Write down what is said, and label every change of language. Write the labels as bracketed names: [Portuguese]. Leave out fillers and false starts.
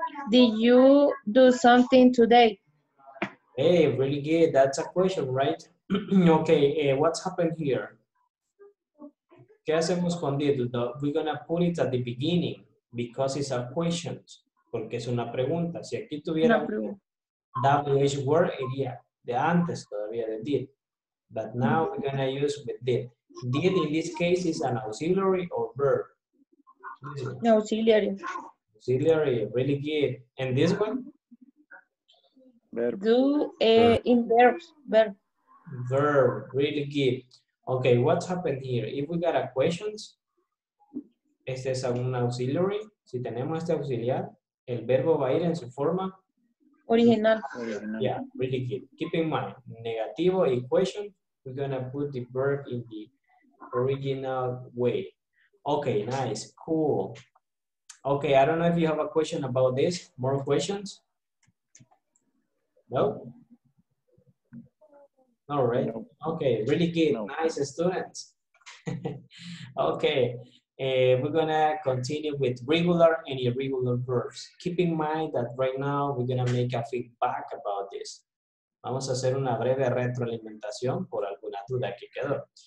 [English] Did you do something today? Hey, really good. That's a question, right? Okay, what's happened here? [Spanish] ¿Qué hacemos con did? [English] We're gonna put it at the beginning because it's a question. [Spanish] Porque es una pregunta. Si aquí tuviera WH word, iría de antes todavía de did. [English] But now we're gonna use with did. Did in this case is an auxiliary or verb? Auxiliary. Auxiliary, really good. And this one? Verb. Do in verbs, verb. Verb, really good. Okay, what's happened here? If we got a questions, [Spanish] este es un [English] auxiliary. [Spanish] Si tenemos este auxiliar, el verbo va a ir en su forma. Original. [English] Yeah, really good. Keep in mind, [Spanish] negativo y [English] question, we're gonna put the verb in the original way. Okay, nice, cool. Okay, I don't know if you have a question about this. More questions? No? All right. No. Okay, really good. No. Nice students. Okay, we're gonna continue with regular and irregular verbs. Keep in mind that right now we're gonna make a feedback about this. [Spanish] Vamos a hacer una breve retroalimentación por alguna duda que quedó.